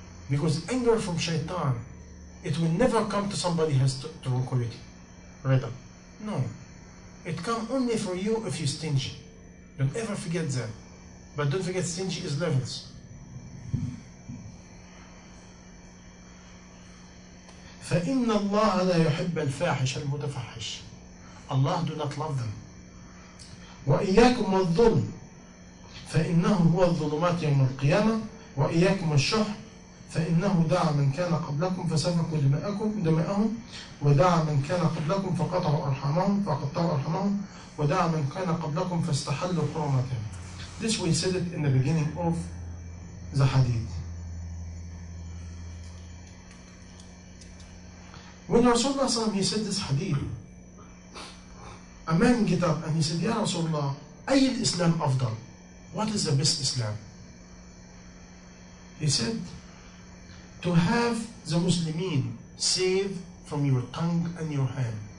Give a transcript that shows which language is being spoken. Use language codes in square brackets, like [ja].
[en] Because anger from shaitan, it will never come to somebody who has tranquility, rhythm. No. It comes only for you if you're stingy. Don't ever forget that. But don't forget, stingy is levels. [ar] فَإِنَّ اللَّهَ لَا يُحِبَّ الْفَاحِشَ الْمُتَفَحِشِ [en] Allah do not love them. [ar] وَإِيَّاكُمَ الظُّلْمِ فَإِنَّهُ هُوَ الظُّلُمَاتِ يَوْمَ الْقِيَامَةِ وَإِيَّاكُمَ الشُّحْ فَإِنَّهُ دَعَ مَنْ كَانَ قَبْلَكُمْ فَسَفَكُوا دِمَاءَهُمْ وَدَعَ مَنْ كَانَ قَبْلَكُمْ فَقَطَعُوا أَرْحَمَهُمْ فَقَطَعُوا أَرْحَمَهُمْ وَدَعَ مَنْ كَانَ قَبْلَكُمْ فَاسْتَحَلُّوا حُرُمَاتِهِمْ [en] This we said it in the beginning of the hadith. When Rasulullah SAW, he said this hadith, a man get up and he said, Ya Rasulullah, [ar] ayyid Islam afdal? [en] What is the best Islam? He said, to have the Muslimin saved from your tongue and your hand.